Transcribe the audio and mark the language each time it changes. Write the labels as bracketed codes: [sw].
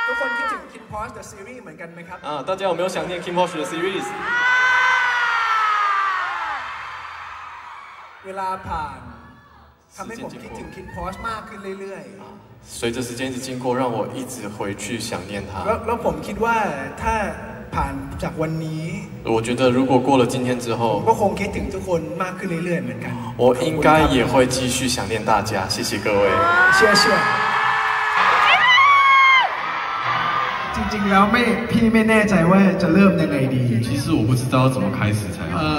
[th] ทุกคนคิดถึง King Posh 的 series เหมือนกันไหมครับ？ [zh] 大家有没有想念 King Posh 的 series？ [th] เวลาผ่านทำให้ผมคิดถึง King Posh มากขึ้นเรื่อยๆ [zh] 随着时间一直经过，让我一直回去想念他。那我 [th] คิดว่าถ้าผ่านจากวันนี้ [zh] 我觉得如果过了今天之后， [th] ก็คงคิดถึงทุกคนมากขึ้นเรื่อยๆเหมือนกัน。 [zh] 我应该也会继续想念大家，谢谢各位。谢谢。 [th] จริงๆแล้วไม่พี่ไม่แน่ใจว่าจะเริ่มยังไงดี。 [zh] 其实我不知道怎么开始才好。